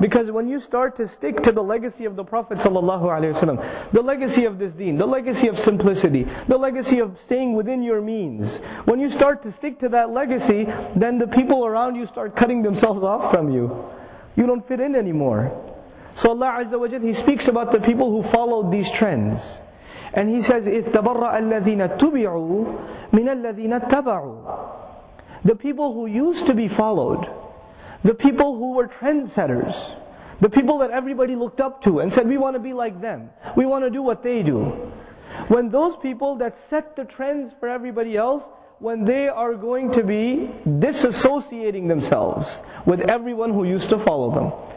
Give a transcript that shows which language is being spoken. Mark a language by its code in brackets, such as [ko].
[en] Because when you start to stick to the legacy of the Prophet ﷺ, the legacy of this deen, the legacy of simplicity, the legacy of staying within your means, when you start to stick to that legacy, then the people around you start cutting themselves off from you. You don't fit in anymore. So Allah Azza wa Jal, He speaks about the people who followed these trends. And He says, [ar] اِتَّبَرَّأَ الَّذِينَ تُبِعُوا مِنَ الَّذِينَ اتَّبَعُوا. [en] The people who used to be followed, the people who were trendsetters, the people that everybody looked up to and said, we want to be like them, we want to do what they do. When those people that set the trends for everybody else, when they are going to be disassociating themselves with everyone who used to follow them.